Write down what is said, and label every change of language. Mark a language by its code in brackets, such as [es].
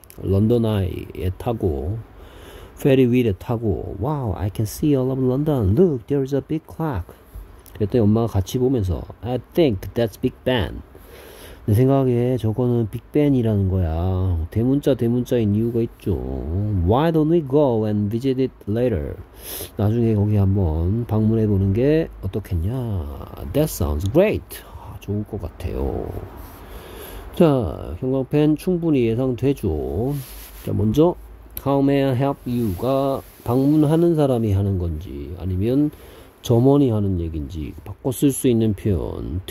[ko] 런던 아이에 타고 페리 위에 타고 와우 [en] wow, I can see all of London. Look, there is a big clock. [ko] 그랬더니 엄마가 같이 보면서 [en] I think that's Big Ben. [ko] 내 생각에 저거는 빅벤이라는 거야. 대문자 대문자인 이유가 있죠. [en] Why don't we go and visit it later? [ko] 나중에 거기 한번 방문해 보는 게 어떻겠냐? [en] That sounds great. [ko] 좋을 것 같아요. 자, 형광펜 충분히 예상되죠. 자, 먼저 [en] How may I help you [ko] 가 방문하는 사람이 하는 건지 아니면 점원이 하는 얘긴지 바꿔 쓸수 있는 표현.